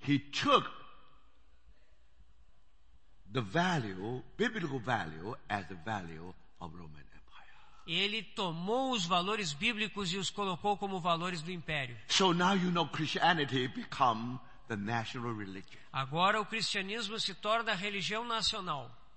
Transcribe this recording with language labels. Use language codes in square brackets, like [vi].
[en] he took the value, biblical value, as the value of Roman Empire. [pt] Ele tomou os valores bíblicos e os colocou como valores do império. [en] So now you know Christianity become the national religion. [pt] Agora o cristianismo se torna a religião nacional.